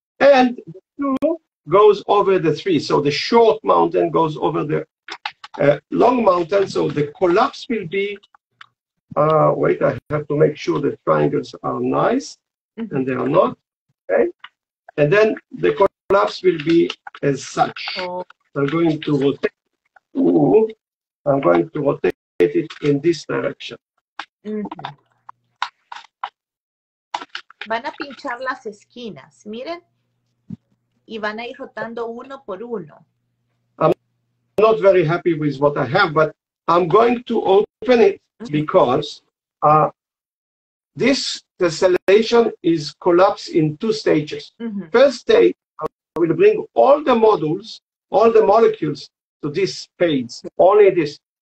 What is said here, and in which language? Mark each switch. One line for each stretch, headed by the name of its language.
English: and the two goes over the three. So the short mountain goes over the long mountain, so the collapse will be, wait, I have to make sure the triangles are nice, mm-hmm. and they are not, okay? And then the collapse will be as such. Oh. I'm going to rotate it in this direction. Mm-hmm.
Spanish: Van a pinchar las esquinas, miren, y van a ir rotando uno por uno.
English: I'm not very happy with what I have, but I'm going to open it because this tessellation is collapsed in two stages. Mm-hmm. First stage, I will bring all the modules, all the molecules to this phase, only this.